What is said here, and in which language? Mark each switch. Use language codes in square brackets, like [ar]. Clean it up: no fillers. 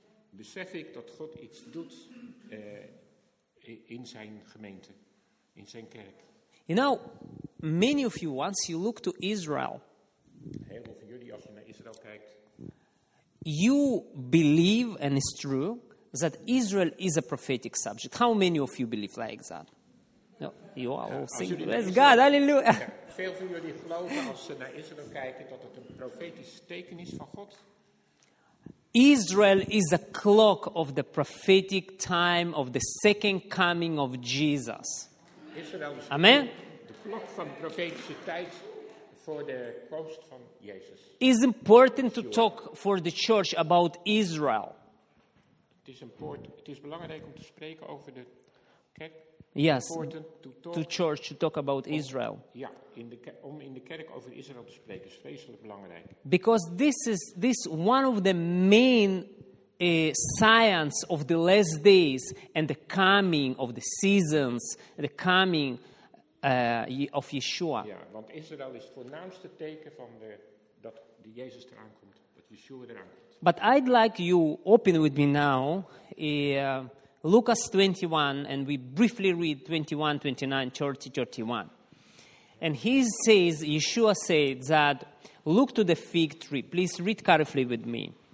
[nl] Besef ik dat God iets doet in zijn gemeente, in zijn kerk. [en] You know, Many of you, once you look to Israel, [nl] heel veel van jullie, als je naar Israël kijkt, [en] you believe, and it's true, that Israel is a prophetic subject. How many of you believe like that? No, you are all singing, praise Israel, God, hallelujah. Ja, [nl] veel van jullie geloven, als ze naar Israël kijken, dat het een profetisch teken is van God. [en] Israel is a clock of the prophetic time of the second coming of Jesus. Israel is Amen. [nl] De klok van profetische tijd voor de komst van Jezus. [en] It's important to talk for the church about Israel. [nl] Het is important. Het is belangrijk om te spreken over de kerk. [en] Yes. To church to talk about Israel. [nl] Ja, om in de kerk over Israël te spreken is vreselijk belangrijk. [en] Because this is one of the main science of the last days and the coming of the seasons, the coming of Yeshua. [nl] Ja, want Israël is het voornaamste teken van dat Jezus eraan komt, dat Yeshua eraan komt. [en] But I'd like you open with me now. Lucas 21, and we briefly read 21, 29, 30, 31. And he says, Yeshua said that, look to the fig tree. Please read carefully with me.